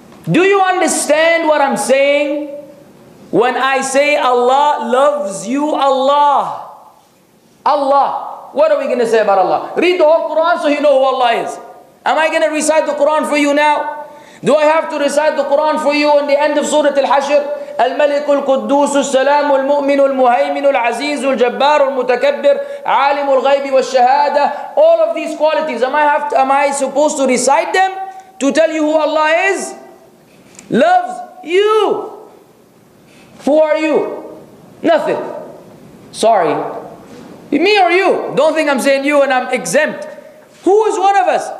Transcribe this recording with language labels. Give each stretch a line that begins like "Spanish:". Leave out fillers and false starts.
English: Do you understand what I'm saying when I say Allah loves you? Allah. What are we going to say about Allah? Read the whole Quran so you know who Allah is. Am I going to recite the Quran for you now? Do I have to recite the Quran for you in the end of Surah Al-Hashr?
Arabic: الملك القدوس السلام المؤمن المهيمن العزيز الجبار المتكبر عالم الغيب والشهادة.
English: All of these qualities, am I supposed to recite them to tell you who Allah is? Loves you. Who are you? Nothing. Sorry. Me or you? Don't think I'm saying you and I'm exempt. Who is one of us?